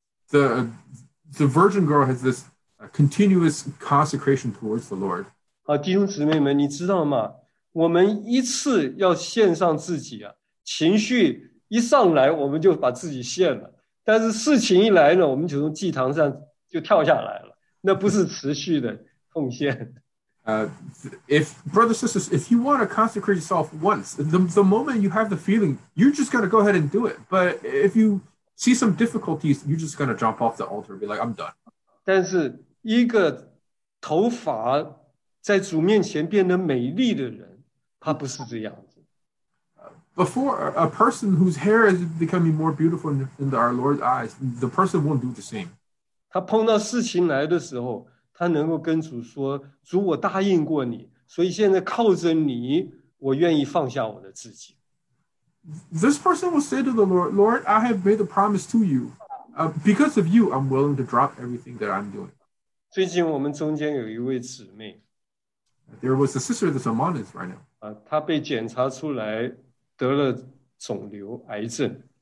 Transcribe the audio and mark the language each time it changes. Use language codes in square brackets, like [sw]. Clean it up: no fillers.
[en] The virgin girl has this continuous consecration towards the Lord. [zh] 好，弟兄姊妹们，你知道吗？我们一次要献上自己啊，情绪一上来我们就把自己献了，但是事情一来呢，我们就从祭堂上就跳下来了，那不是持续的奉献。 [en] If brothers and sisters, if you want to consecrate yourself once, the moment you have the feeling, you're just going to go ahead and do it. But if you see some difficulties, you're just going to jump off the altar and be like, I'm done. [zh] 但是一个头发在主面前变得美丽的人，他不是这样子。 [en] Before a person whose hair is becoming more beautiful in our Lord's eyes, the person won't do the same. [zh] 他碰到事情来的时候，他能够跟主说：“主，我答应过你，所以现在靠着你，我愿意放下我的自己。” [en] This person will say to the Lord, "Lord, I have made a promise to you. Because of you, I'm willing to drop everything that I'm doing." [zh] 最近我们中间有一位姊妹。 [en] There was a sister that's among us right now. [zh] 她被检查出来得了肿瘤癌症。